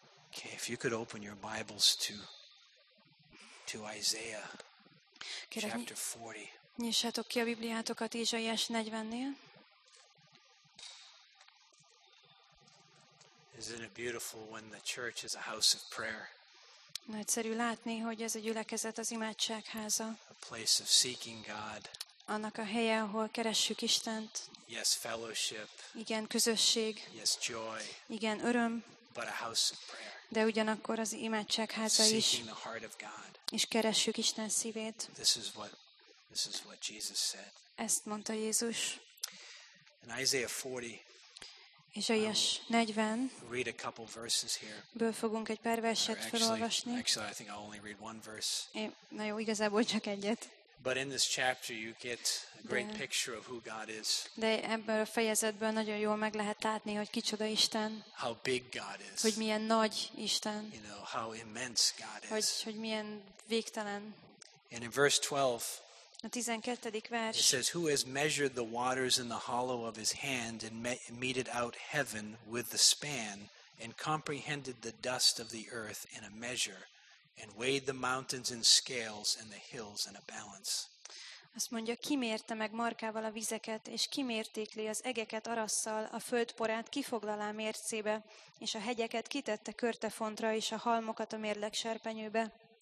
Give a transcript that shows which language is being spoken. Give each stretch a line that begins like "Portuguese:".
English: Okay, if you could open your Bibles to Isaiah chapter 40.
Hungarian: Nyissátok ki a Bibliátokat Ézsaiás 40-nél.
English: Isn't it beautiful when the church is a house of prayer?
Hungarian: Nagyszerű látni, hogy ez a gyülekezet az imádság háza.
English: A place of seeking God.
Hungarian: Annak a helye, ahol keressük Istent.
English: Yes, fellowship.
Hungarian: Igen, közösség.
English: Yes, joy.
Hungarian: Igen, öröm.
English: But a house of prayer.
Hungarian: De ugyanakkor az imádság háza is.
English: Seeking the heart of God.
Hungarian: És keressük Isten szívét.
English: This is what Jesus said.
Hungarian: Ezt mondta Jézus.
English: In Isaiah 40.
Hungarian: Ézsaiás 40.
English: Read a couple verses here.
Hungarian: Ből fogunk egy pár verset felolvasni.
English: Actually, I think I'll only read one verse.
Hungarian: Na jó, igazából csak egyet.
English: But in this chapter you get a great picture of who God is.
Hungarian: De ebből a fejezetből nagyon jól meg lehet látni, hogy kicsoda Isten.
English: How big God is.
Hungarian: Hogy milyen nagy Isten.
English: You know, how immense God is.
Hungarian: Hogy milyen végtelen.
English: And in verse 12.
Hungarian: A 12. vers.
English: It says, who has measured the waters in the hollow of his hand and meted out heaven with the span and comprehended the dust of the earth in a measure. And weighed the mountains in scales and the hills in a balance.
Hungarian: Azt mondja, kimérte meg markával a vizeket, és kimértékli az egeket arasszal, a föld porát kifoglalá mércébe, és a hegyeket kitette körtefontra, és a halmokat a mérleg serpenyőbe.